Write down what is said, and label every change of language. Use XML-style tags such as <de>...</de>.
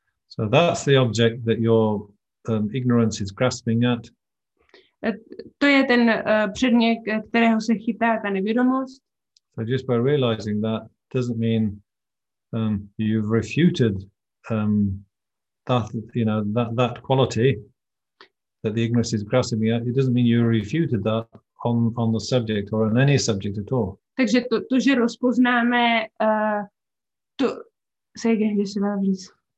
<en>So that's the object that your ignorance is grasping at.</en> <cs>To je ten předmět, kterého se chytá ta nevědomost.</cs> <en>So just by realizing that doesn't mean you've refuted that quality that the ignorance is grasping at. It doesn't mean you refuted that on the subject or on any subject at all.</en> <cs>Takže to že rozpoznáme to se jen jestli mám říct.</cs>